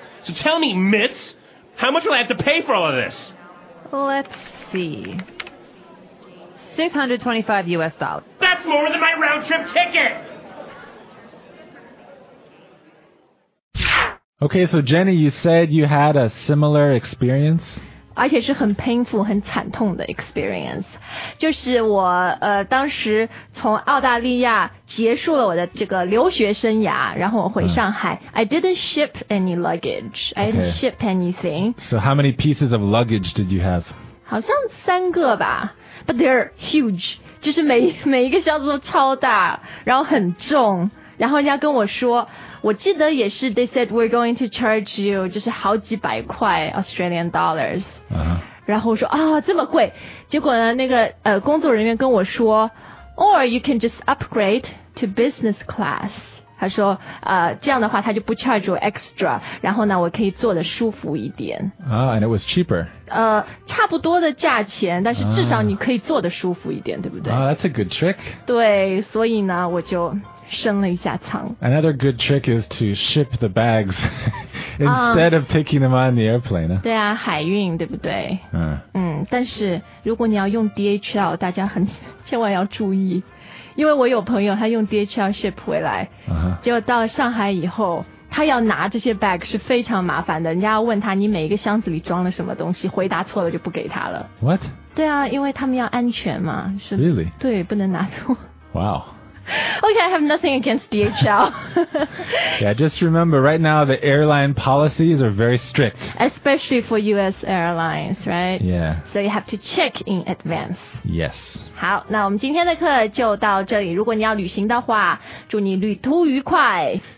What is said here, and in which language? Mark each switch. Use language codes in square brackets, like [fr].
[en] So tell me, miss, how much will I have to pay for all of this? Let's see. $625. That's more than my round-trip ticket! Okay, so Jenny, you said you had a similar experience? [zh] 而且是很 painful, 很惨痛的 experience. 就是我当时从澳大利亚结束了我的这个留学生涯，然后我回上海。 [en] I didn't ship any luggage. I didn't ship anything. So how many pieces of luggage did you have? [zh] 好像三个吧。 [en] But they're huge. [zh] 就是每一个箱子都超大，然后很重。然后人家跟我说我记得也是 [en] they said we're going to charge you [zh] 就是好几百块 [en] Australian dollars、 [zh] 然后我说啊、哦、这么贵结果呢那个工作人员跟我说 [en] or you can just upgrade to business class [zh] 他说这样的话他就不 charge 我 extra 然后呢我可以坐得舒服一点 [en] and it was cheaper [zh] 差不多的价钱但是至少你可以坐得舒服一点对不对 [en] that's a good trick [zh] 对所以呢我就升了一下舱 [en] another good trick is to ship the bags instead of taking them on the airplane [zh] 对啊海运对不对、但是如果你要用 DHL 大家很千万要注意因为我有朋友他用 DHL ship 回来、 [en] uh-huh. [zh] 结果到了上海以后他要拿这些 bag 是非常麻烦的人家要问他你每一个箱子里装了什么东西回答错了就不给他了 [en] What? [zh] 对啊因为他们要安全嘛是 [en] Really? [zh] 对不能拿错 [en] Wow Okay, I have nothing against DHL. yeah, just remember, right now the airline policies are very strict. Especially for U.S. airlines, right? Yeah. So you have to check in advance. Yes. [zh] 好，那我们今天的课就到这里。如果你要旅行的话，祝你旅途愉快。